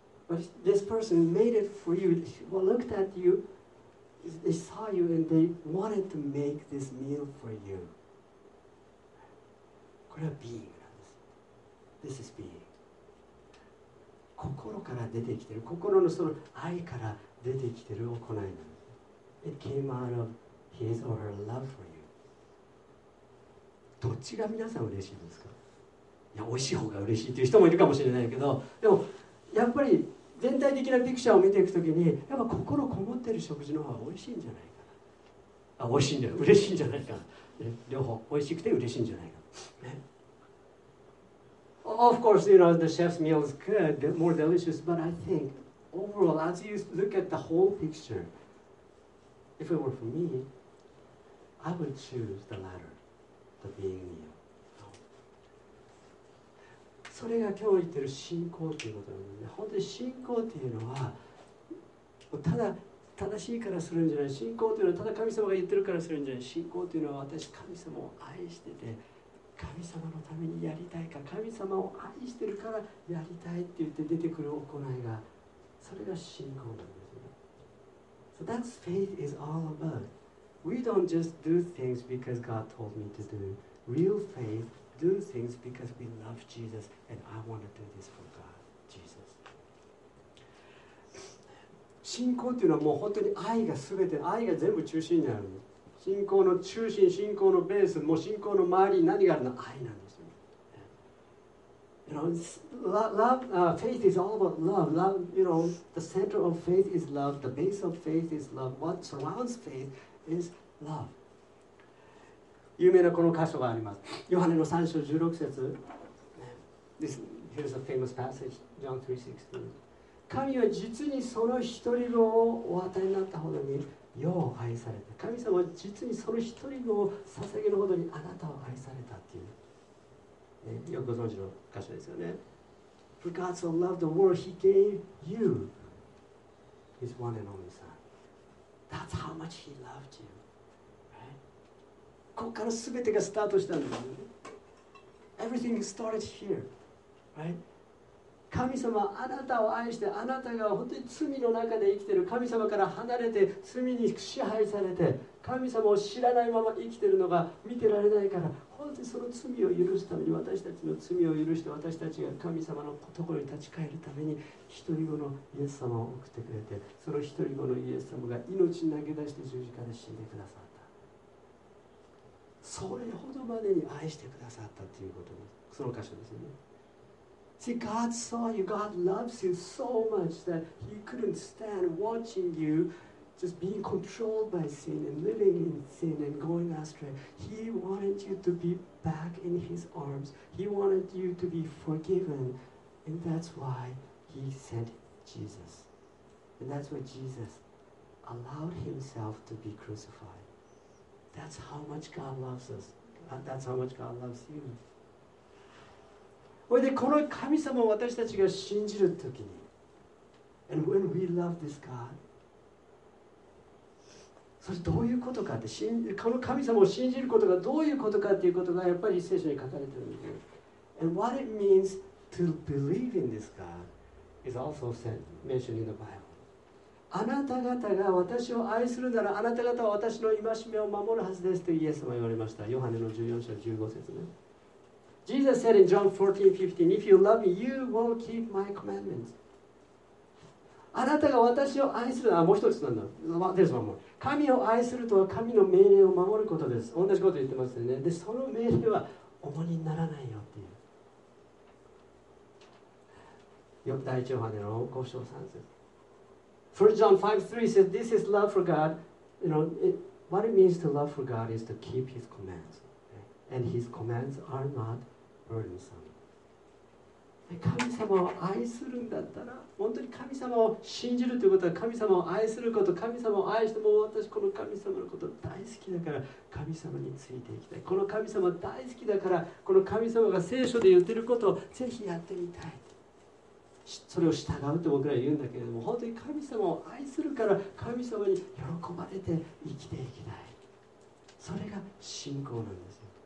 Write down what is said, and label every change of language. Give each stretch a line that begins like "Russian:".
English: But this person made it for you. She looked at you. They saw you and they wanted to make this meal for you.
Japanese: これは being なんです。
English: This is being.
Japanese: 心から出てきてる、心のその愛から出てきてる行いなんです。
English: It came out of his or her love for you.
Japanese: どっちが皆さん嬉しいですか？いや、美味しい方が嬉しいという人もいるかもしれないけど、でもやっぱり全体的なピクチャーを見ていくときに、やっぱ心こもってる食事の方が美味しいんじゃないかな。あ、美味しいんじゃない、嬉しいんじゃないか。両方美味しくて嬉しいんじゃないか。
English: Of course, you know, the chef's meal is good, more delicious, but I think overall, as you look at the whole picture, if it were for me, I would choose the latter, the being meal.
Japanese: それが今日言ってる信仰ということなんですね。本当に信仰というのは、ただ正しいからするんじゃない、信仰というのはただ神様が言ってるからするんじゃない、信仰というのは私、神様を愛してて、神様のためにやりたいか、神様を愛してるからやりたいって言って出てくる行いが、それが信仰なんですね。
English: So that's faith is all about. We don't just do things because God told me to do. Real faith do things because we love Jesus and I want to do this for God, Jesus.
Japanese: 信仰というのはもう本当に愛が全て、愛が全部中心にあるんです。信仰の中心、信仰のベース、もう信仰の周りに何があるの？愛なんですよ。
English: You know, love, faith is all about love. Love, you know, the center of faith is love. The base of faith is love. What surrounds faith is love.
Japanese: 有名なこの箇所があります。ヨハネの3章16節。
English: This, here's a famous passage, John 3:16.
Japanese: 神は実にその一人のをお与えになったほどに、よう愛された、神様は実にその一人の捧げのほどにあなたを愛されたっていう、ね、よくご存知の箇所ですよね。
English: For God so loved the world he gave you his one and only son. That's how much he loved you, right?
Japanese: ここから全てがスタートしたんですよね。
English: Everything started here, right?
Japanese: 神様はあなたを愛して、あなたが本当に罪の中で生きている、神様から離れて罪に支配されて、神様を知らないまま生きているのが見てられないから、本当にその罪を許すために、私たちの罪を許して、私たちが神様のところに立ち返るために一人子のイエス様を送ってくれて、その一人子のイエス様が命を投げ出して十字架で死んでくださった、それほどまでに愛してくださったということです。その箇所ですね。
English: See, God saw you, God loves you so much that he couldn't stand watching you just being controlled by sin and living in sin and going astray. He wanted you to be back in his arms. He wanted you to be forgiven. And that's why he sent Jesus. And that's why Jesus allowed himself to be crucified. That's how much God loves us. That's how much God loves you.
Japanese: それでこの神様を私たちが信じるときに、
English: And when we love this God,
Japanese: それどういうことかって、この神様を信じることがどういうことかっていうことがやっぱり聖書に書かれてるんです。
English: And what it means to believe in this God is also said, mentioned in the Bible.
Japanese: あなた方が私を愛するなら、あなた方は私の戒めを守るはずですとイエス様は言われました。ヨハネの14章15節ね。
English: Jesus said in John 14:15, If you love me, you will keep my commandments.
Japanese: あなたが私を愛するのは、もう一つなんだ。
English: There's one more.
Japanese: 神を愛するとは神の命令を守ることです。同じこと言ってますよね。で、その命令は重荷にならないよっていう。第一ヨハネの5章3節。
English: 1 John 5:3 says, This is love for God. You know, what it means to love for God is to keep his commands.And his commands are not burdensome.
Japanese: 神様を愛するんだったら、本当に神様を信じるということは神様を愛すること、神様を愛しても私この神様のこと大好きだから神様についていきたい、この神様大好きだからこの神様が聖書で言っていることをぜひやってみたい、それを従うって僕ら言うんだけれども、本当に神様を愛するから神様に喜ばれて生きていきたい、それが信仰なんですよ。